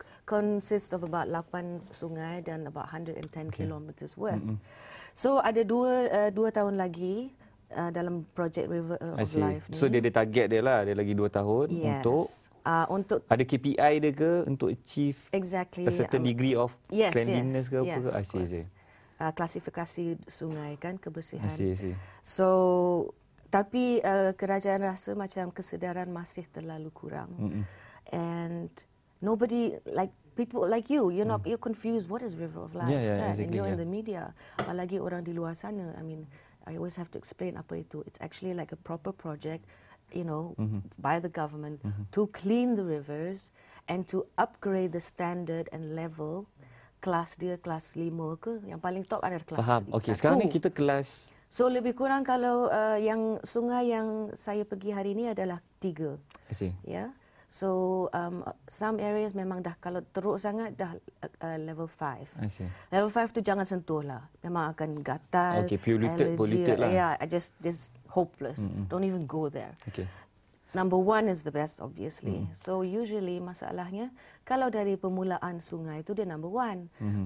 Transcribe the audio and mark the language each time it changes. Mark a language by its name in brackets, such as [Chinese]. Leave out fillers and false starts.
[English] Consists of about 8 sungai dan about 110 kilometers worth. [Malay] So ada dua tahun lagi dalam project River of Life ni. So dia ada target dia lah, dia lagi 2 tahun untuk ada KPI dia ke untuk [English] achieve a certain degree of cleanliness [Malay] ke apa ke? Klasifikasi sungai kan, kebersihan. [English] I see. [Malay] So tapi kerajaan rasa macam kesedaran masih terlalu kurang. [English] And nobody, like people like you, you're confused, what is River of Life? Yeah, exactly, and you're in the media. [Malay] Apalagi orang di luar sana, [English] I mean, I always have to explain [Malay] apa itu. [English] It's actually like a proper project, you know, by the government to clean the rivers and to upgrade the standard and level. [Malay] Kelas dia kelas 5 ke? Yang paling top ada kelas 1. Faham. Okay, sekarang ni kita kelas... So lebih kurang kalau yang sungai yang saya pergi hari ini adalah 3. [English] I see. [Malay] Yeah. [English] So some areas [Malay] memang dah kalau teruk sangat dah level 5. [English] I see. [Malay] Level 5 tu jangan sentuh lah. Memang akan gatal. [English] Okay, polluted lah. Yeah, it's hopeless. Don't even go there. Okay. Number 1 is the best obviously. [Malay] So usually masalahnya kalau dari permulaan sungai itu dia number 1.